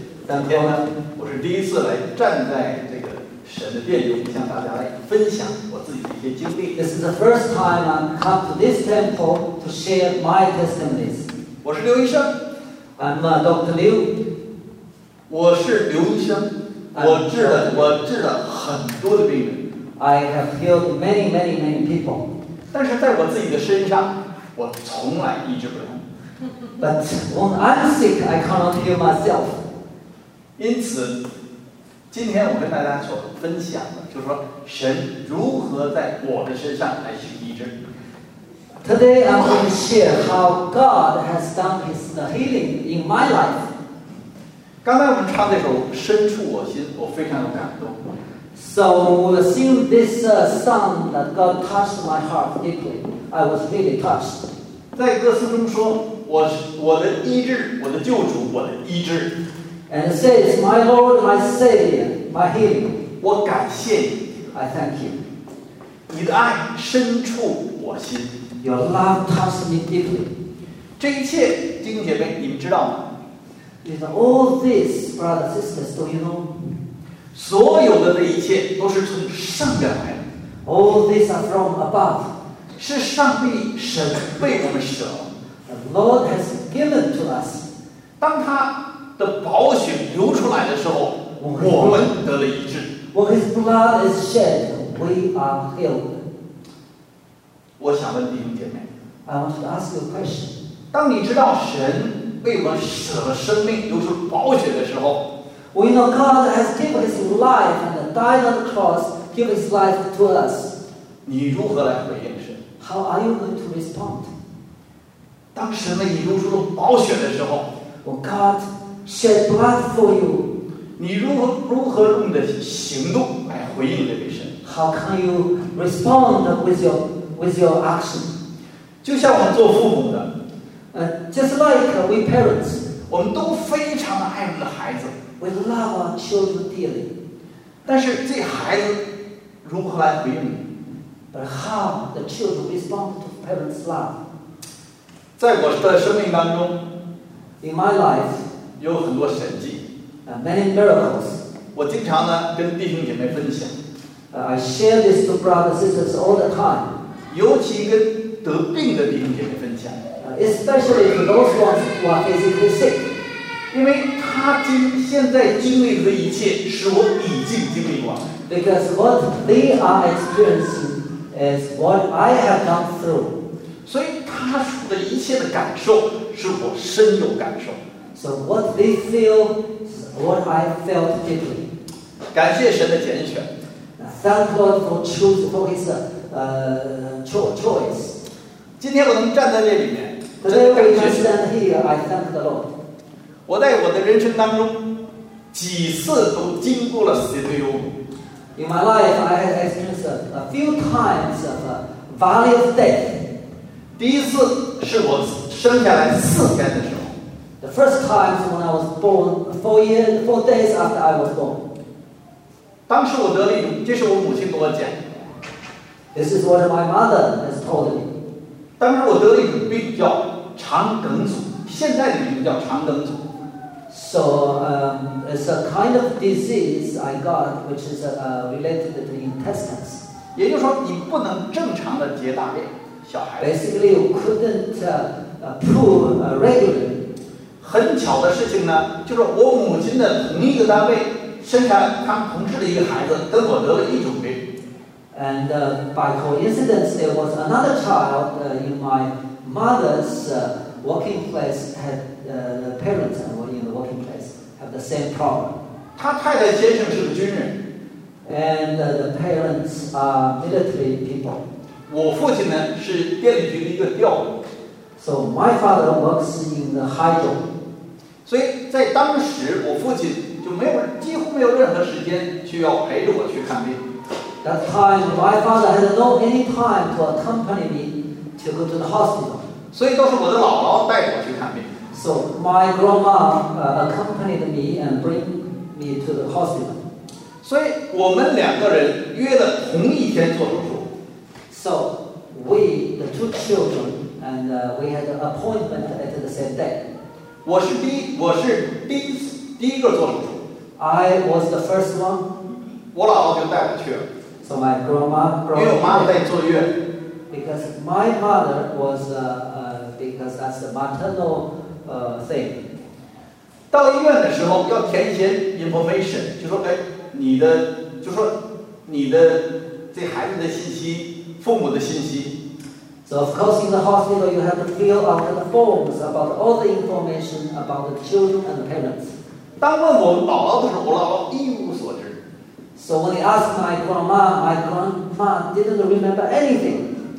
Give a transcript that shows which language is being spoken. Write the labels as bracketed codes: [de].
[zh] 今天呢，我是第一次来站在这个神的殿中，向大家来分享我自己的一些经历。 [en] This is the first time I come to this temple to share my testimonies. [zh] 我是刘医生。 [en] I'm Dr. Liu. [zh] 我是刘医生。我治了很多的病人。 [en] I have healed many, many, many people. [zh] 但是在我自己的身上，我从来医治不了。 [en] But when I'm sick, I cannot heal myself. [zh] 因此，今天我跟大家所分享的，就是说神如何在我的身上来去医治。 [en] Today I'm going to share how God has done His healing in my life. [zh] 刚才我们唱那首《深处我心》，我非常有感动。 [en] So we'll sing this song that God touched my heart deeply. I was really touched. [zh] 在歌词中说，我的医治，我的救主，我的医治。 [en] And it says, My Lord, my Savior, my healing. [zh] 我感谢你。 [en] I thank you. [zh] 你的爱深处我心。 [en] Your love touched me deeply. [zh] 这一切，弟兄姐妹，你们知道吗？ [en] Is all this, brothers and sisters, do you know? [zh] 所有的这一切都是从上边来的。 [en] All these are from above. [zh] 是上帝神为我们舍了。 [en] The Lord has given to us. [zh] 当他的宝血流出来的时候，我们得了医治。 [en] When His blood is shed, we are healed. [zh] 我想问弟兄姐妹。 [en] I want to ask you a question. [zh] 当你知道神为我们舍了生命，流出宝血的时候。 [en] We know God has given His life and died on the cross, give His life to us. [zh] 你如何来回应神？ [en] How are you going to respond? [zh] 当神为你流出宝血的时候， [en] When God shed blood for you, [zh] 你如何用你的行动来回应这位神？ [en] How can you respond with your action? [zh] 就像我们做父母的， [en] Just like we parents, [zh] 我们都非常爱我们的孩子。 [en] We love our children dearly. [zh] 但是这孩子如何来回应你？ [en] But how the children respond to parents' love? [zh] 在我的生命当中， [en] In my life, [zh] 有很多神迹， [en] Many miracles. [zh] 我经常呢跟弟兄姐妹分享， [en] I share this to brothers and sisters all the time. [zh] 尤其跟得病的弟兄姐妹分享， [en] Especially to those ones who are physically sick. [zh] 因为他现在经历的一切是我已经经历过的。 [en] Because what they are experiencing is what I have gone through. [zh] 所以他的一切的感受是我深有感受。 [en] So what they feel is what I felt deeply. [zh] 感谢神的拣选。 [en] Thank God for his choice. [zh] 今天我能站在这里面。 [en] Today we can stand here, I thank the Lord. [zh] 我在我的人生当中几次都经过了死的幽谷。 [en] In my life, I have experienced a few times of a valley of death. [zh] 第一次是我生下来四天的时候。 [en] The first time when I was born, four days after I was born. [zh] 当时我得了一种，这是我母亲跟我讲。 [en] This is what my mother has told me. [zh] 当时我得了一种病叫肠梗阻，现在的名字叫肠梗阻。 [en] So, it's a kind of disease I got, which is related to intestines. [zh] 也就是说，你不能正常的结大便，小孩。 [en] Basically, you couldn't poo regularly. [zh] 很巧的事情呢，就是我母亲的同一个单位生下他们同事的一个孩子，跟我得了一种病。 [en] And by coincidence, there was another child in my mother's working place had the parents. The same problem. [zh] 他太太先生是个军人 [en] ，and the parents are military people. [zh] 我父亲呢是电力局的一个调度 [en] ，so my father works in the hydro. [zh] 所以在当时，我父亲就没有几乎没有任何时间去要陪着我去看病。 [en] That time, my father had no any time to accompany me to go to the hospital. [zh] 所以都是我的姥姥带我去看病。 [en] So my grandma accompanied me and bring me to the hospital. [zh] 所以我们两个人约了同一天做手术。 [en] So we, the two children, And we had an appointment at the same day. [zh] 我是第一个做主。 [en] I was the first one. [zh] 我姥姥就带我去了。 [en] So my grandma brought me. [zh] 因为我妈妈在坐月。 [en] Because my mother was, because that's the maternal thing. [zh] 到医院的时候要填一些 information， 就说你的这孩子的信息，父母的信息。 [en] So of course in the hospital you have to fill out the forms about all the information about the children and the parents. [zh] 当问我姥姥的时候，我姥姥一无所知。 [en] So when I asked my grandma didn't remember anything.